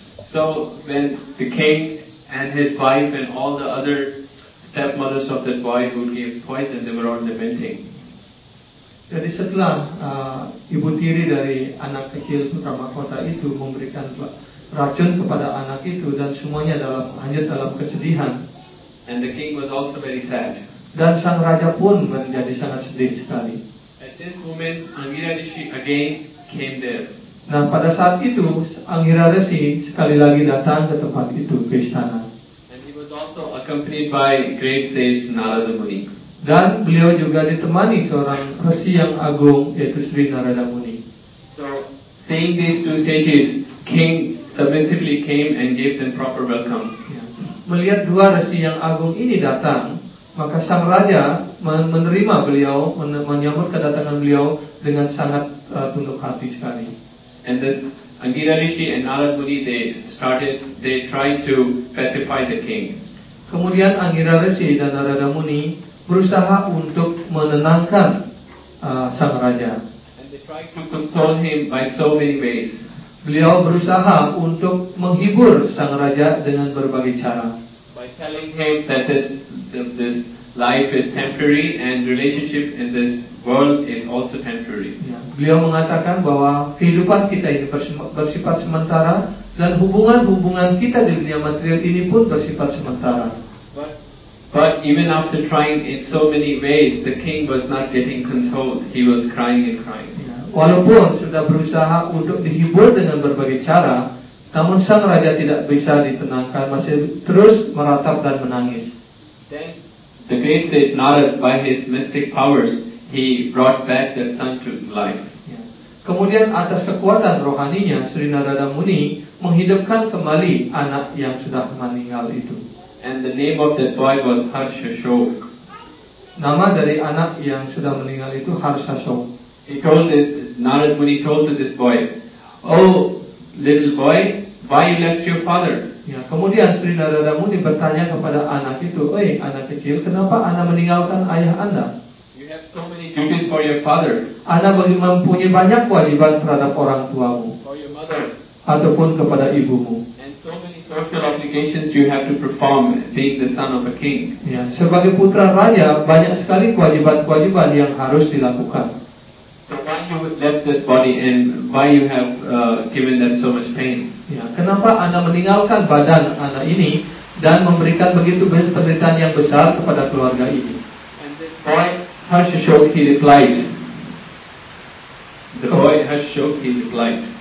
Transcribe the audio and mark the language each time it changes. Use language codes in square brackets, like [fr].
[en] So when the king and his wife and all the other stepmothers of that boy who gave poison, they were all lamenting. [id] Jadi setelah ibu tiri dari anak kecil putra mahkota itu memberikan racun kepada anak itu dan semuanya hanyut dalam kesedihan. [en] And the king was also very sad. [id] Dan sang raja pun menjadi sangat sedih sekali. [en] At this moment, Angira Rishi again came there. [id] Nah, pada saat itu, Angira Rishi sekali lagi datang ke tempat itu, ke istana. [en] And he was also accompanied by great sage Narada Muni. [id] Dan beliau juga ditemani seorang resi yang agung, yaitu Sri Narada Muni. [en] So, seeing these two sages, King submissively came and gave them proper welcome. [id] Melihat dua resi yang agung ini datang, maka sang raja menerima beliau, menyambut kedatangan beliau dengan sangat tunduk hati sekali. [en] And this Angira Rishi and Narad Muni, they tried to pacify the king. [id] Kemudian Angira Rishi dan Narada Muni berusaha untuk menenangkan sang raja. [en] And they tried to console him by so many ways. [id] Beliau berusaha untuk menghibur sang raja dengan berbagai cara. [en] By telling him that this life is temporary and relationship in this world is also temporary. [id] Beliau mengatakan bahwa kehidupan kita ini bersifat sementara dan hubungan-hubungan kita di dunia material ini pun bersifat sementara. [en] But even after trying in so many ways, the king was not getting consoled. He was crying. [id] Walaupun sudah berusaha untuk dihibur dengan berbagai cara, namun sang raja tidak bisa ditenangkan, masih terus meratap dan menangis. [en] Then the great sage Narada, by his mystic powers, he brought back that son to life. [id] Kemudian atas kekuatan rohaninya, Sri Narada Muni menghidupkan kembali anak yang sudah meninggal itu. [en] And the name of that boy was Harshashok. [id] Nama dari anak yang sudah meninggal itu Harshashok. [en] Narada Muni told to this boy, "Oh, little boy, why you left your father?" [id] Ya, kemudian Sri Narada Muni bertanya kepada anak itu, "Hey, anak kecil, kenapa anak meninggalkan ayah anda? [en] You have so many duties for your father. [id] Anak masih mempunyai banyak kewajiban terhadap orang tuamu, [en] for your mother, [id] ataupun kepada ibumu. [en] And so many social obligations you have to perform being the son of a king. [id] Ya, sebagai putra raja, banyak sekali kewajiban-kewajiban yang harus dilakukan. [en] So why you left this body and why you have given them so much pain? [id] Ya, kenapa anda meninggalkan badan anda ini dan memberikan begitu banyak penderitaan yang besar kepada keluarga ini?" [en] And this boy Harshashok, he replied. The boy Harshashok replied.